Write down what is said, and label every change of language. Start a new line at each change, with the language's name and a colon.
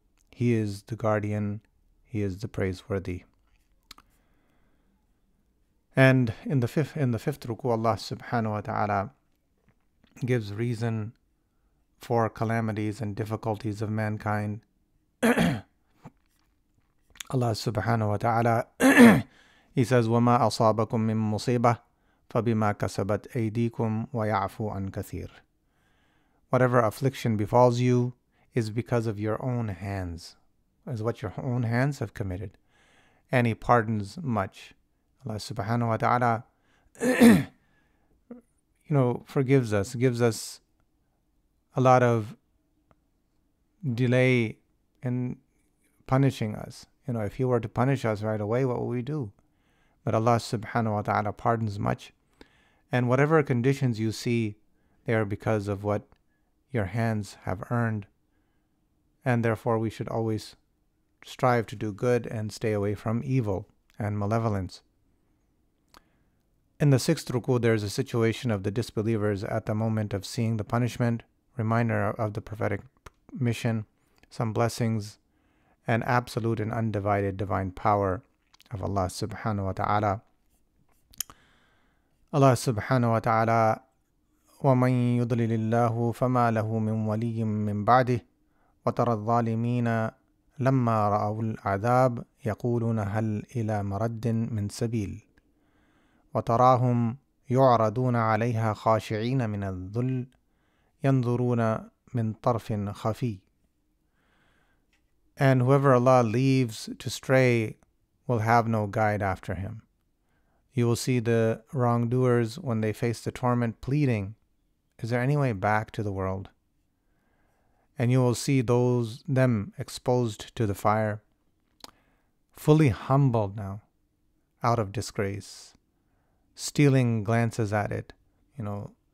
English: He is the guardian, He is the praiseworthy. And in the fifth ruku, Allah subhanahu wa ta'ala gives reason for calamities and difficulties of mankind. Allah subhanahu wa ta'ala, He says,
Arabic: وَمَا أَصَابَكُم مِّن مُصِيبَةٍ فَبِمَا كَسَبَتْ أَيْدِيكُمْ وَيَعْفُوا عَن كَثِيرٍ.
English: Whatever affliction befalls you is because of your own hands, is what your own hands have committed. And He pardons much. Allah subhanahu wa ta'ala, you know, forgives us, gives us a lot of delay in punishing us. You know, if He were to punish us right away, what would we do? But Allah subhanahu wa ta'ala pardons much. And whatever conditions you see, they are because of what your hands have earned, and therefore we should always strive to do good and stay away from evil and malevolence. In the sixth ruku, there is a situation of the disbelievers at the moment of seeing the punishment, reminder of the prophetic mission, some blessings, and absolute and undivided divine power of Allah subhanahu wa ta'ala.
Arabic: Allah subhanahu wa ta'ala, وَمَنْ يُضْلِلِ اللَّهُ فَمَا لَهُ مِنْ وَلِيٍّ مِّنْ بَعْدِهِ وَتَرَى الظَّالِمِينَ لَمَّا رَأَوُا الْعَذَابِ يَقُولُونَ هَلْ إِلَى مَرَدٍ مِّنْ سَبِيلٍ. وتراهم يعرضون عليها خاشعين من الذل ينظرون من طرف خفي.
English: And whoever Allah leaves to stray will have no guide after him. You will see the wrongdoers when they face the torment pleading, is there any way back to the world? And you will see them exposed to the fire, fully humbled now, out of disgrace, stealing glances at it, you know.